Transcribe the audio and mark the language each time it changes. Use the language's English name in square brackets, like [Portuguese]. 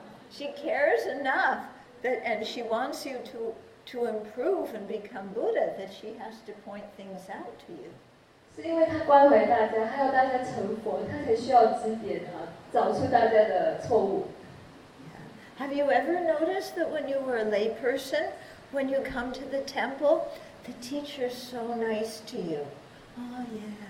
[English] She cares enough that, and she wants you to improve and become Buddha, that she has to point things out to you. [Chinese] 是因为她关怀大家，还要大家成佛，她才需要指点啊，找出大家的错误。 [English] Have you ever noticed that when you were a lay person, when you come to the temple, the teacher is so nice to you? Oh yeah.